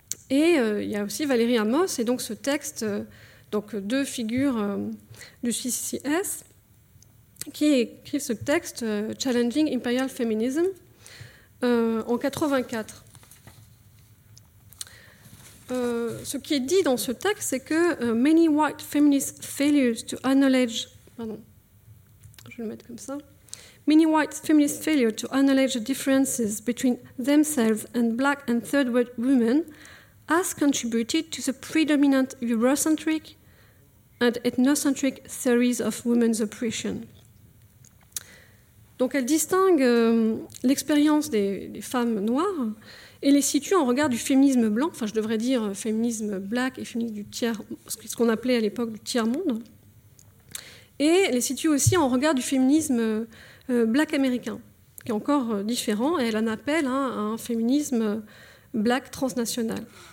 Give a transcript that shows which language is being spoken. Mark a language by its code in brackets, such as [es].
[fr] Et il y a aussi Valérie Amos et donc ce texte, donc deux figures du CCS, qui écrivent ce texte « Challenging Imperial Feminism » en 1984. Ce qui est dit dans ce texte, c'est que « [en] Many white feminist failures to acknowledge... [fr] » Pardon, je vais le mettre comme ça. [en] Many white feminist failures to acknowledge the differences between themselves and black and third world women has contributed to the predominant Eurocentric and ethnocentric theories of women's oppression. [fr] Donc elle distingue l'expérience des femmes noires et les situe en regard du féminisme blanc, enfin je devrais dire féminisme black et féminisme du tiers, ce qu'on appelait à l'époque du tiers-monde, et les situe aussi en regard du féminisme black américain, qui est encore différent, et elle en appelle à un féminisme black transnational.